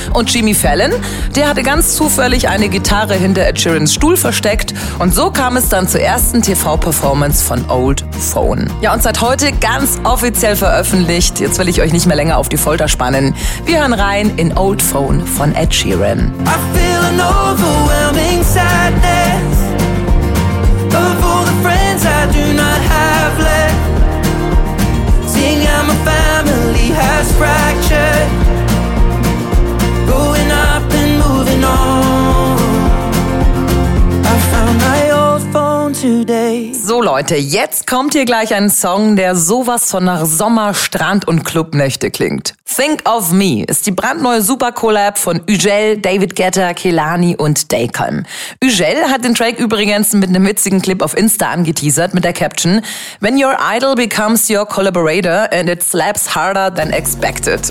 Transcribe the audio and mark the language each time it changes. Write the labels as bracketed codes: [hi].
[de] Und Jimmy Fallon, der hatte ganz zufällig eine Gitarre hinter Ed Sheerans Stuhl versteckt. Und so kam es dann zur ersten TV-Performance von Old Phone. Ja, und seit heute ganz offiziell veröffentlicht. Jetzt will ich euch nicht mehr länger auf die Folter spannen. Wir hören rein in Old Phone von Ed Sheeran. [en] I feel an overwhelming sadness. Of all the friends I do not have left, seeing how my family has fractured, growing up and moving on. I found my old phone today. [de] So Leute, jetzt kommt hier gleich ein Song, der sowas von nach Sommer, Strand und Clubnächte klingt. Think of Me ist die brandneue Super-Collab von Ugel, David Guetta, Kehlani und Daycom. Ugel hat den Track übrigens mit einem witzigen Clip auf Insta angeteasert mit der Caption [en] When your idol becomes your collaborator and it slaps harder than expected.